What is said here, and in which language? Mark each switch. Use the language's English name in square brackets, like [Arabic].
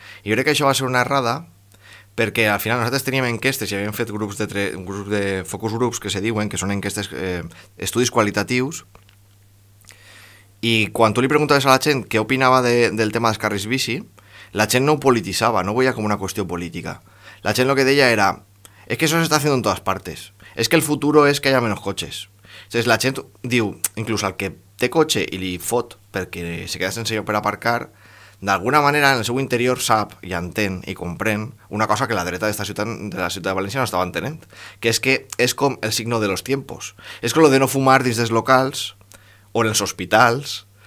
[Catalan] I jo crec que això va ser una errada, perquè al final nosaltres teníem enquestes i havíem fet grups de focus groups, que se diuen, que són enquestes, estudis qualitatius, i quan tu li preguntaves a la gent què opinava del tema dels carrils bici, la gent no ho polititzava, no ho veia com una qüestió política. La gent lo que deia era: [Spanish] es que eso se está haciendo en todas partes, es que el futuro es que haya menos coches. [Catalan] Entonces la gent diu, inclús al que té cotxe i li fot perquè se queda sense lloc per aparcar, d'alguna manera en el seu interior sap i entén i comprèn una cosa que la dreta d'esta ciutat, de la ciutat de València, no estava entenent, que és que és com [Spanish] el signo de los tiempos. [Catalan] És que lo de no fumar dins dels locals o en els hospitals,